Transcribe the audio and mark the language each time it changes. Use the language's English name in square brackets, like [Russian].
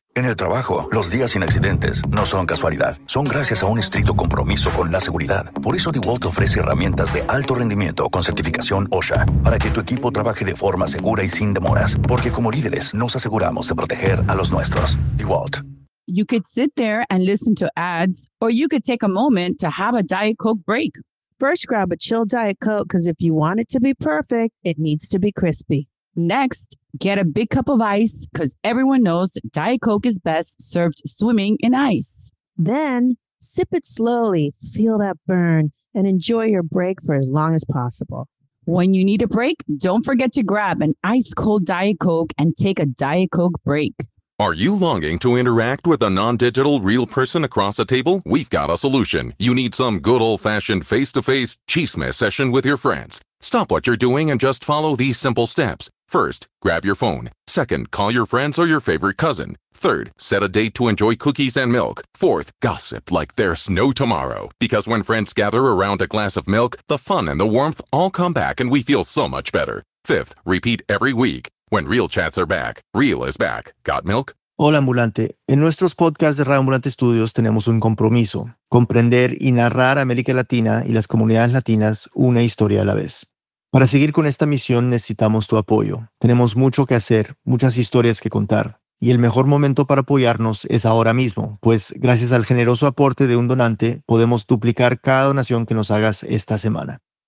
[Spanish] En el trabajo, los días sin accidentes no son casualidad. Son gracias a un estricto compromiso con la seguridad. Por eso DeWalt ofrece herramientas de alto rendimiento con certificación OSHA para que tu equipo trabaje de forma segura y sin demoras. Porque como líderes, nos aseguramos de proteger a los nuestros. DeWalt. [English] You could sit there and listen to ads, or you could take a moment to have a Diet Coke break. First, grab a chill Diet Coke, because if you want it to be perfect, it needs to be crispy. Next, get a big cup of ice, because everyone knows Diet Coke is best served swimming in ice. Then, sip it slowly, feel that burn, and enjoy your break for as long as possible. When you need a break, don't forget to grab an ice-cold Diet Coke and take a Diet Coke break. Are you longing to interact with a non-digital real person across a table? We've got a solution. You need some good old-fashioned face-to-face chisme session with your friends. Stop what you're doing and just follow these simple steps. First, grab your phone. Second, call your friends or your favorite cousin. Third, set a date to enjoy cookies and milk. Fourth, gossip like there's no tomorrow. Because when friends gather around a glass of milk, the fun and the warmth all come back and we feel so much better. Fifth, repeat every week. When real chats are back, real is back. Got milk? [Spanish] Hola, Ambulante. En nuestros podcasts de Radio Ambulante Studios tenemos un compromiso: comprender y narrar América Latina y las comunidades latinas una historia a la vez. Para seguir con esta misión necesitamos tu apoyo. Tenemos mucho que hacer, muchas historias que contar. Y el mejor momento para apoyarnos es ahora mismo, pues gracias al generoso aporte de un donante, podemos duplicar cada donación que nos hagas esta semana.